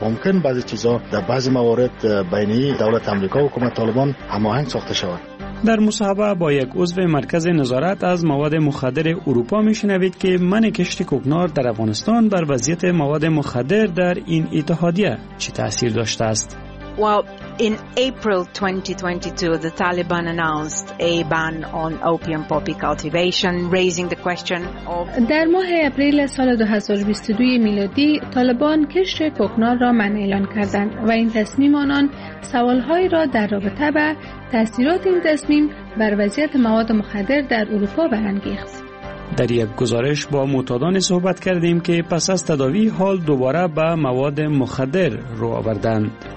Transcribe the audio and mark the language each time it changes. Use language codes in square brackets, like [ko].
[fa] ممکن بعضی چیزا در بعضی موارد بین دولت آمریکا و حکومت طالبان هماهنگ ساخته شود. در مصاحبه با یک عضو مرکز نظارت از مواد مخدر اروپا میشنوید که منع کشت کوکنار در افغانستان بر وضعیت مواد مخدر در این اتحادیه چه تاثیر داشته است؟ [en] In April 2022, the Taliban announced a ban on opium poppy cultivation, raising the question of. [fa] در ماه اپریل سال 2022 میلادی، طالبان کشت کوکنار را منع اعلان کردند و این تصمیم آنان سوال‌های را در رابطه با تأثیرات این تصمیم بر وضعیت مواد مخدر در اروپا برانگیخت. در یک گزارش با معتادان صحبت کردیم که پس از تداوی حال دوباره به مواد مخدر رو آوردند.